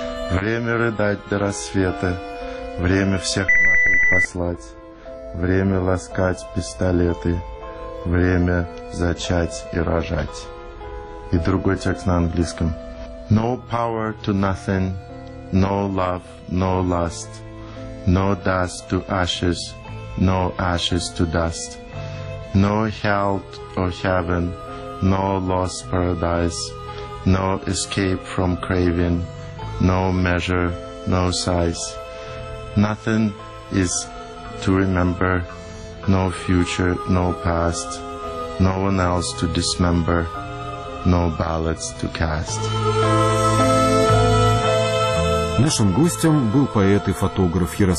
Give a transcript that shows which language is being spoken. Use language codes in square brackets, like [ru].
[ru] Время рыдать до рассвета, время всех нахуй послать. Время ласкать пистолеты, время зачать и рожать. И другой текст на английском. [en] No power to nothing, no love, no lust. No dust to ashes, no ashes to dust. No hell or heaven, no lost paradise, no escape from craving, no measure, no size. Nothing is to remember, no future, no past, no one else to dismember, no ballots to cast. [ru] Нашим гостем был поэт и фотограф Ярослав.